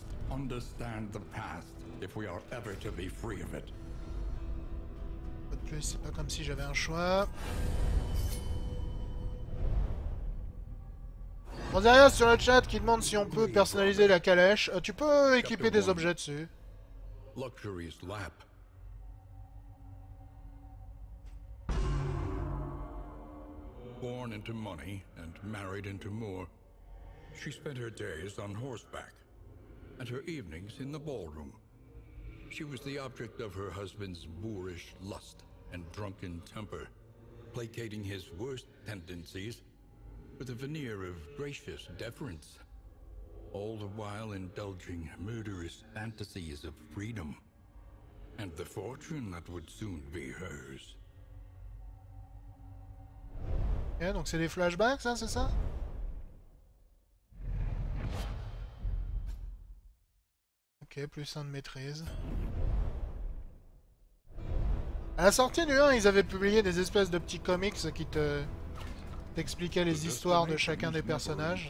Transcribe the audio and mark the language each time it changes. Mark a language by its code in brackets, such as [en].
[en] Understand the past if we are ever to be free of it. [fr] Pas de plus, c'est pas comme si j'avais un choix. Bon, derrière sur le chat qui demande si on peut personnaliser la calèche. Tu peux équiper des objets dessus. [en] Luxury's lap. Born into money and married into more, she spent her days on horseback. And her evenings in the ballroom. She was the object of her husband's boorish lust and drunken temper, placating his worst tendencies with a veneer of gracious deference, all the while indulging murderous fantasies of freedom and the fortune that would soon be hers. [fr] Yeah, donc c'est des flashbacks, hein, c'est ça? Ok, plus un de maîtrise. À la sortie du 1, ils avaient publié des espèces de petits comics qui t'expliquaient les histoires de chacun des personnages.